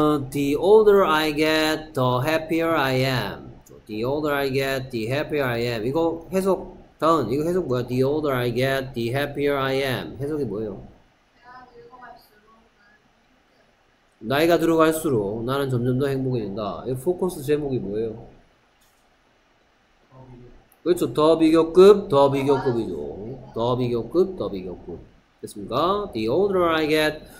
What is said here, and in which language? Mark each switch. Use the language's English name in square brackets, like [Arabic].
[English] The older I get, the happier I am. The older I get, the happier I am. [Korean] 이거 해석, 다음, 이거 해석 뭐야? [English] The older I get, the happier I am. [Korean] 해석이 뭐예요? 나이가 들어갈수록 나는 점점 더 행복해진다. 이 포커스 제목이 뭐예요? 그렇죠. 더 비교급, 더 비교급이죠. 더 비교급, 더 비교급. 됐습니까? [English] The older I get.